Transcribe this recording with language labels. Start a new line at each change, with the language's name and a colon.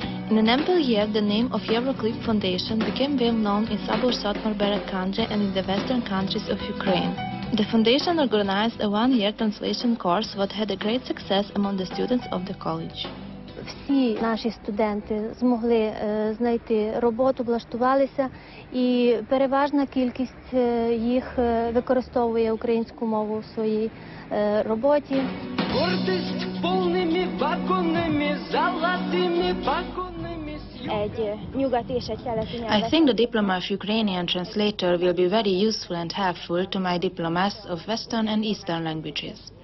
English: In an ample year, the name of Euroclip Foundation became well known in Szabolcs-Szatmár Bereg country and in the western countries of Ukraine. The foundation organized a one-year translation course that had a great success among the students of the college.
Ukrainian: Всі наші студенти змогли знайти роботу, влаштувалися, і переважна кількість їх використовує українську мову в своїй роботі. Гордість повними вагонами, золотими вагонами.
English: I think the diploma of Ukrainian translator will be very useful and helpful to my diplomas of Western and Eastern languages.